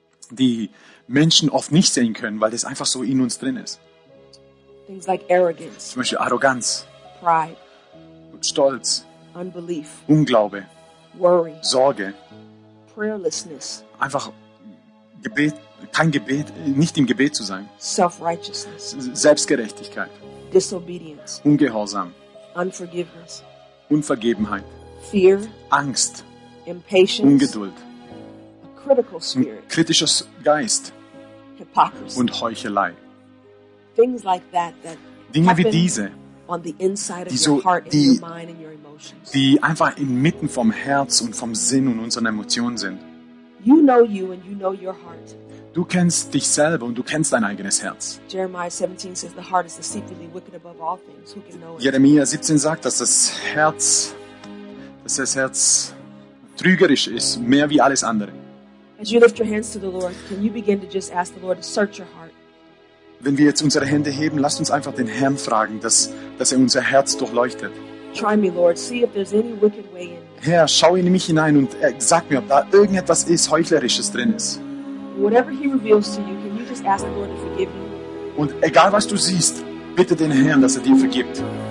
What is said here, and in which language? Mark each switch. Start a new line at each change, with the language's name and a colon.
German: Die Menschen oft nicht sehen können, weil das einfach so in uns drin ist.
English: Things like arrogance,
German: zum Beispiel Arroganz,
English: pride,
German: und Stolz,
English: unbelief,
German: Unglaube,
English: worry,
German: Sorge,
English: prayerlessness,
German: einfach Gebet, kein Gebet, nicht im Gebet zu sein,
English: self-righteousness,
German: Selbstgerechtigkeit,
English: disobedience,
German: Ungehorsam,
English: unforgiveness,
German: Unvergebenheit,
English: fear,
German: Angst,
English: impatience,
German: Ungeduld,
English: a critical spirit,
German: kritischer Geist,
English: hypocrisy,
German: und Heuchelei.
English: Things like that
German: Dinge wie diese
English: on the inside of your heart and your mind and your emotions.
German: Die einfach inmitten vom Herz und vom Sinn und unseren Emotionen sind.
English: You know you and you know your heart.
German: Du kennst dich selber und du kennst dein eigenes Herz.
English: Jeremiah 17 says the heart is deceitfully wicked above all things. Who can know it?
German: Jeremia 17 sagt, dass das Herz trügerisch ist, mehr wie alles andere.
English: As you lift your hands to the Lord, can you begin to just ask the Lord to search your heart?
German: Wenn wir jetzt unsere Hände heben, lasst uns einfach den Herrn fragen, dass er unser Herz durchleuchtet.
English: Try me, Lord. See if there's any wicked way in me.
German: Herr, schau in mich hinein und sag mir, ob da irgendetwas ist, Heuchlerisches drin ist.
English: Whatever he reveals to you, can you just ask the Lord to forgive you?
German: Und egal was du siehst, bitte den Herrn, dass er dir vergibt.